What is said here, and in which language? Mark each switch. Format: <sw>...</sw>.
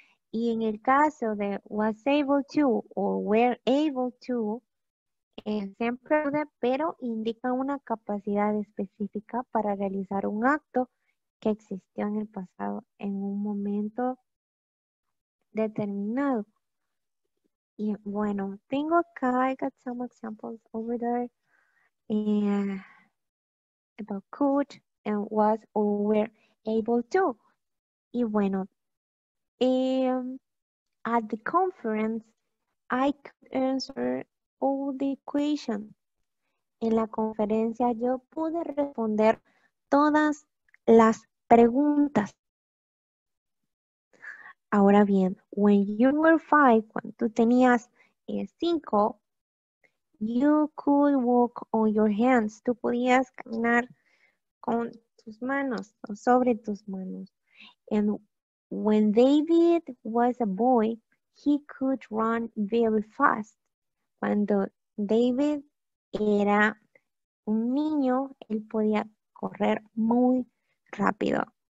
<es>Y en el caso de was able to o were able to, siempre pude, pero indica una capacidad específica para realizar un acto que existió en el pasado en un momento determinado. Y bueno, tengo acá,</es> <en>I got some examples over there, about could and was or were able to.</en> <es>Y bueno,</es> <en>at the conference, I could answer all the questions.</en> <es>En la conferencia yo pude responder todas las preguntas.</es> <en>Ahora bien, when you were five,</en> <es>cuando tú tenías cinco,</es> <en>you could walk on your hands.</en> <es>Tú podías caminar con tus manos o sobre tus manos.</es> <en>And when David was a boy, he could run very fast.</en> <es>Cuando David era un niño, él podía correr muy rápido.</es>